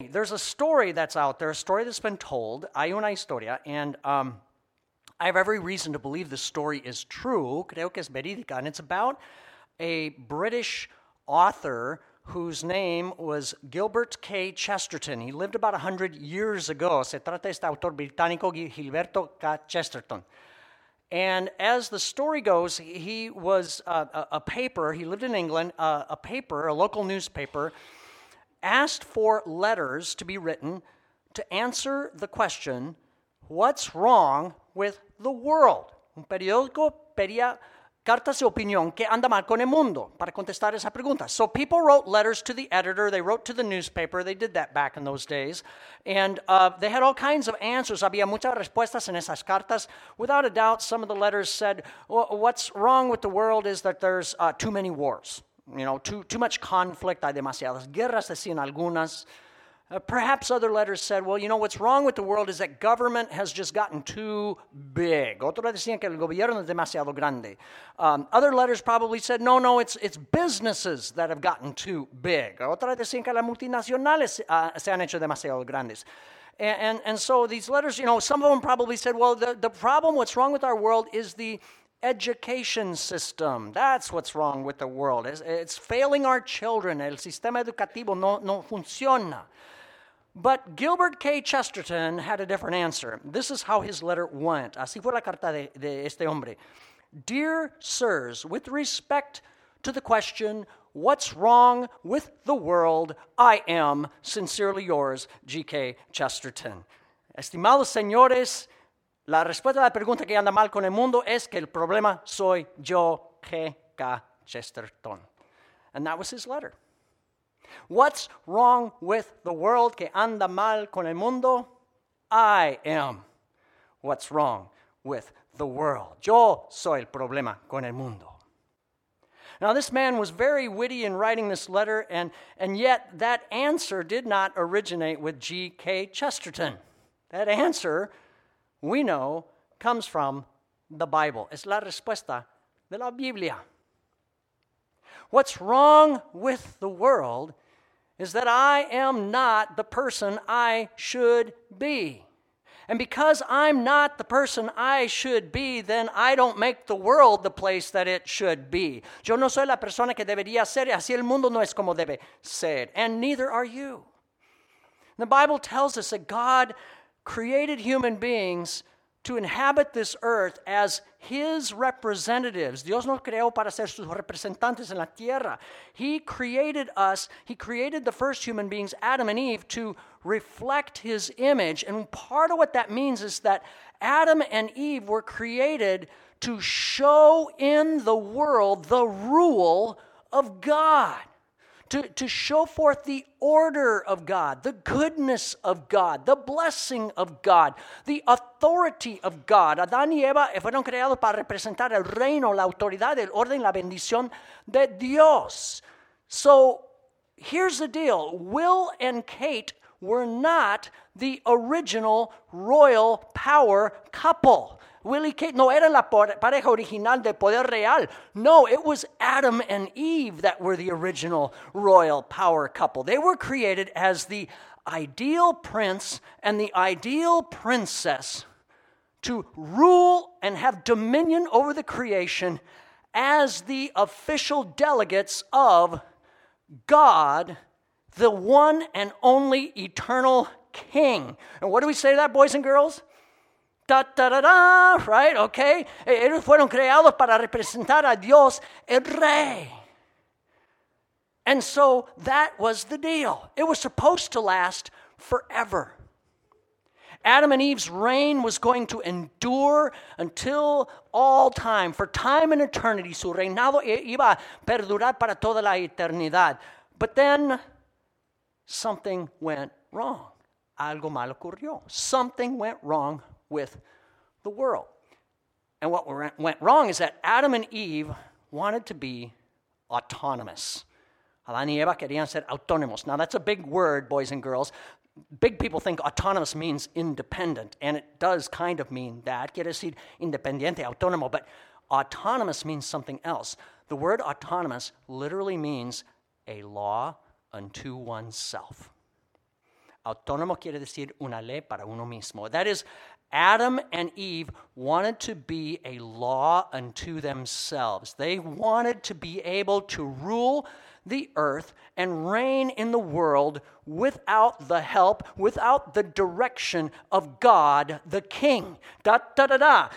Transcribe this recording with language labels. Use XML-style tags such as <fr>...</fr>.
<en>There's a story that's out there, a story that's been told,</en> <es>hay una historia,</es> <en>and I have every reason to believe the story is true,</en> <es>creo que es verídica,</es> <en>and it's about a British author whose name was Gilbert K. Chesterton. He lived about 100 years ago.</en> <es>Se trata de este autor británico, Gilberto K. Chesterton.</es> <en>And as the story goes, he was a paper, he lived in England, a paper, a local newspaper, asked for letters to be written to answer the question, what's wrong with the world?</en> <es>Un periódico pedía cartas de opinión, ¿qué anda mal con el mundo? Para contestar esa pregunta.</es> <en>So people wrote letters to the editor, they wrote to the newspaper, they did that back in those days, and they had all kinds of answers.</en> <es>Había muchas respuestas en esas cartas.</es> <en>Without a doubt, some of the letters said, well, what's wrong with the world is that there's too many wars. You know, too much conflict,</en> <es>hay demasiadas guerras, decían algunas.</es> <en>Perhaps other letters said, well, you know, what's wrong with the world is that government has just gotten too big.</en> <es>Otros decían que el gobierno es demasiado grande.</es> <en>Other letters probably said, no, it's businesses that have gotten too big.</en> <es>Otros decían que las multinacionales se han hecho demasiado grandes.</es> <en>And so these letters, you know, some of them probably said, well, the problem, what's wrong with our world is the education system. That's what's wrong with the world. It's failing our children.</en> <es>El sistema educativo no funciona.</es> <en>But</en> <es>Gilbert K.</es> <en>Chesterton had a different answer. This is how his letter went.</en> <es>Así fue la carta de este hombre.</es> <en>Dear sirs, with respect to the question, what's wrong with the world, I am sincerely yours, G.K. Chesterton.</en> <es>Estimados señores, la respuesta a la pregunta que anda mal con el mundo es que el problema soy yo, G.K.</es> <en>Chesterton. And that was his letter. What's wrong with the world</en> <es>que anda mal con el mundo?</es> <en>I am what's wrong with the world.</en> <es>Yo soy el problema con el mundo.</es> <en>Now, this man was very witty in writing this letter, and yet that answer did not originate with G.K. Chesterton. That answer, we know, comes from the Bible.</en> <es>Es la respuesta de la Biblia.</es> <en>What's wrong with the world is that I am not the person I should be. And because I'm not the person I should be, then I don't make the world the place that it should be.</en> <es>Yo no soy la persona que debería ser, así el mundo no es como debe ser.</es> <en>And neither are you. The Bible tells us that God created human beings to inhabit this earth as his representatives.</en> <es>Dios nos creó para ser sus representantes en la tierra.</es> <en>He created us, he created the first human beings, Adam and Eve, to reflect his image. And part of what that means is that Adam and Eve were created to show in the world the rule of God. To show forth the order of God, the goodness of God, the blessing of God, the authority of God.</en> <es>Adán y Eva fueron creados para representar el reino, la autoridad, el orden, la bendición de Dios.</es> <en>So here's the deal. Will and Kate were not the original royal power couple.</en> <es>Will y Kate no eran la pareja original de poder real.</es> <en>No, it was Adam and Eve that were the original royal power couple. They were created as the ideal prince and the ideal princess to rule and have dominion over the creation as the official delegates of God, the one and only eternal king. And what do we say to that, boys and girls? Da-da-da-da, right, okay?</en> <es>Ellos fueron creados para representar a Dios, el rey.</es> <en>And so that was the deal. It was supposed to last forever. Adam and Eve's reign was going to endure until all time. For time and eternity,</en> <es>su reinado iba a perdurar para toda la eternidad.</es> <en>But then something went wrong.</en> <es>Algo mal ocurrió.</es> <en>Something went wrong with the world. And what went wrong is that Adam and Eve wanted to be autonomous.</en> <es>Adán y Eva querían ser autónomos.</es> <en>Now that's a big word, boys and girls. Big people think autonomous means independent, and it does kind of mean that.</en> <es>Quiere decir independiente, autónomo,</es> <en>but autonomous means something else. The word autonomous literally means a law unto oneself.</en> <es>Autónomo quiere decir una ley para uno mismo.</es> <en>That is, Adam and Eve wanted to be a law unto themselves. They wanted to be able to rule the earth and reign in the world without the help, without the direction of God, the King. Da, da, da, da.</en>